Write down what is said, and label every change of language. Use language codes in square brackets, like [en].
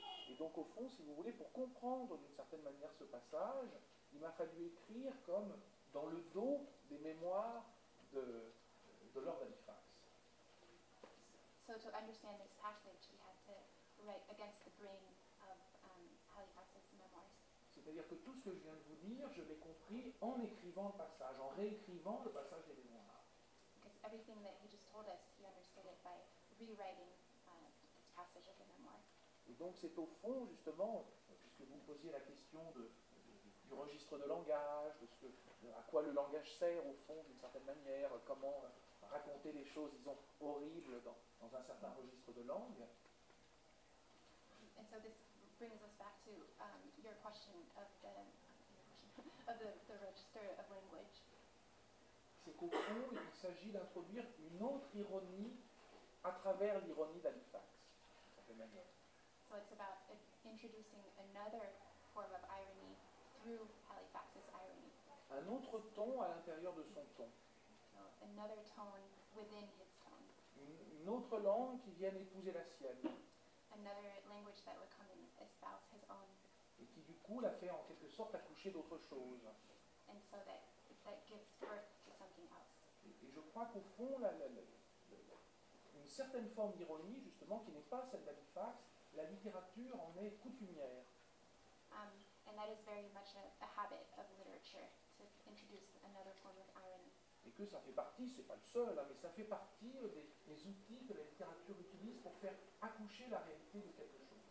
[fr] Et donc, au fond, si vous voulez, pour comprendre d'une certaine manière ce passage, il m'a fallu écrire comme dans le dos des mémoires de Lord Halifax. [en] So to understand this passage, he had to write against the grain of Halifax's memoirs. [fr] C'est-à-dire que tout ce que je viens de vous dire, je l'ai compris en écrivant le passage, en réécrivant le passage des mémoires. [en] Because everything that he just told us, he understood it by rewriting this passage of the memoir. [fr] Et donc c'est au fond, justement, puisque vous me posiez la question du registre de langage, à quoi le langage sert, au fond, d'une certaine manière, comment raconter des choses, disons, horribles dans un certain registre de langue. [en] And so this brings us back to your question of the register of language. [fr] C'est qu'au fond, il s'agit d'introduire une autre ironie à travers l'ironie d'Halifax, d'une certaine manière. [en] So it's about introducing another form of irony through Halifax's irony. [fr] Un autre ton à l'intérieur de son ton. [en] Another tone within his tone. [fr] Une autre langue qui vient épouser la sienne. [en] Another language that would come and espouse his own. [fr] Et qui du coup la fait en quelque sorte accoucher d'autre chose. [en] And so that gives birth to something else. [fr] Et je crois qu'au fond, une certaine forme d'ironie, justement, qui n'est pas celle d'Halifax, la littérature en est coutumière. [en] And that is very much a habit of literature, to introduce another form of irony. [fr] Et que ça fait partie, c'est pas le seul, hein, mais ça fait partie des outils que la littérature utilise pour faire accoucher la réalité de quelque chose.